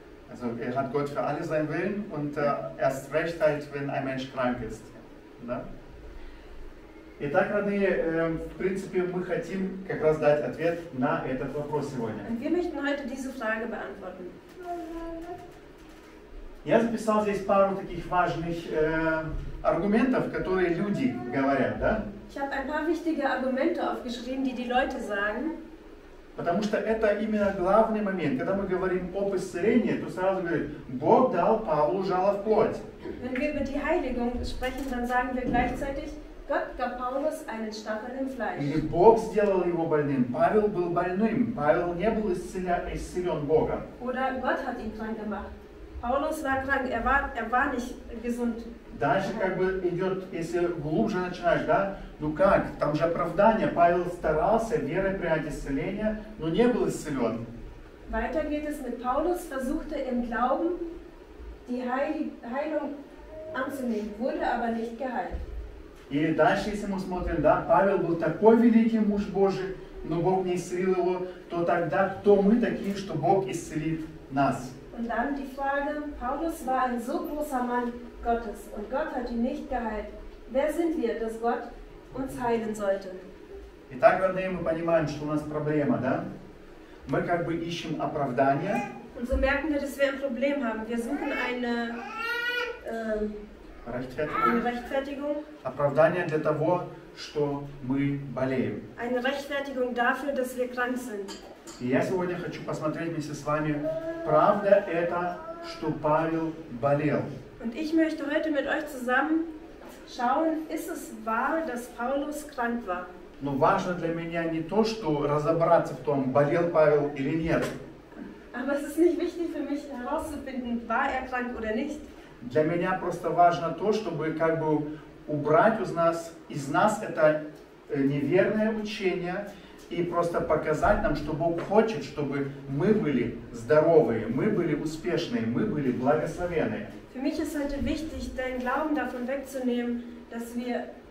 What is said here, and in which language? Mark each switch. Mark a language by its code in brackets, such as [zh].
[de] Also, hat Gott für alle sein Willen und erst recht halt, wenn ein Mensch krank ist. [ru] Да? Итак, родные, в принципе, мы хотим как раз дать ответ на этот вопрос сегодня. [de] Und wir möchten heute diese Frage beantworten. [ru] Я записал здесь пару таких важных аргументов, которые люди говорят, да? [de] Ich habe ein paar wichtige Argumente aufgeschrieben, die Leute sagen. [ru] Потому что это именно главный момент. Когда мы говорим об исцелении, то сразу говорят, Бог дал Павлу жало в плоть. [de] Wenn wir über die Heiligung sprechen, dann sagen wir gleichzeitig, Gott gab Paulus einen Stachel im Fleisch. [ru] Или Бог сделал его больным. Павел был больным. Павел не был исцелен Богом. [de] Oder Gott hat ihn krank gemacht. Paulus war krank, er war nicht gesund. [ru] Дальше как бы идет, если глубже начинаешь, да? Ну как? Там же оправдание. Павел старался верой принять исцеление, но не был исцелен. [de] Weiter geht es mit Paulus, versuchte im Glauben die Heilung anzunehmen, wurde aber nicht geheilt. [ru] И дальше, если мы смотрим, да, Павел был такой великий муж Божий, но Бог не исцелил его, то тогда кто мы такие, что Бог исцелит нас? [de] Und dann die Frage, Paulus war ein so großer Mann Gottes und Gott hat ihn nicht geheilt. Wer sind wir, dass Gott uns heilen sollte? [ru] Итак, родные, мы понимаем, что у нас проблема, да? Мы как бы ищем оправдание. [de] Und so merken wir, dass wir ein Problem haben. Wir suchen eine Rechtfertigung. [ru] Оправдание для того, что мы болеем. [de] Eine Rechtfertigung dafür, dass wir krank sind. [ru] И я сегодня хочу посмотреть вместе с вами, правда это, что Павел болел. [de] Und ich möchte heute mit euch zusammen schauen, ist es wahr, dass Paulus krank war? [ru] Но важно для меня не то, что разобраться в том, болел Павел или нет. [de] Aber es ist nicht wichtig für mich herauszufinden, war er krank oder nicht. [ru] Для меня просто важно то, чтобы как бы убрать из нас это неверное учение, и просто показать нам, что Бог хочет, чтобы мы были здоровые, мы были успешные, мы были благословенные. [de] Für mich ist heute wichtig, deinen Glauben davon wegzunehmen, dass wir